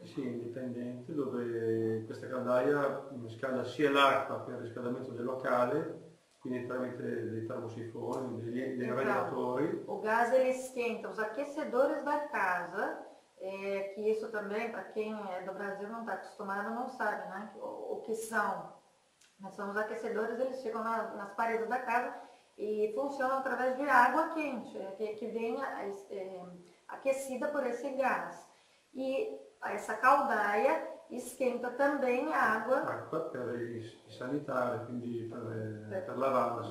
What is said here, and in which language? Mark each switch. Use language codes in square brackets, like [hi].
[it] Sì, indipendente, dove questa caldaia scalda sia l'acqua per il riscaldamento del locale, quindi tramite dei termosifoni, dei radiatori. [pt] O gás ele esquenta os aquecedores da casa, que isso também, para quem é do Brasil não está acostumado, não sabe, né, o que são. Mas são os aquecedores, eles ficam nas paredes da casa e funcionam através de água quente, que vem aquecida por esse gás. E essa caldaia esquenta também a água. [it] Acqua per i sanitari, quindi per lavarsi.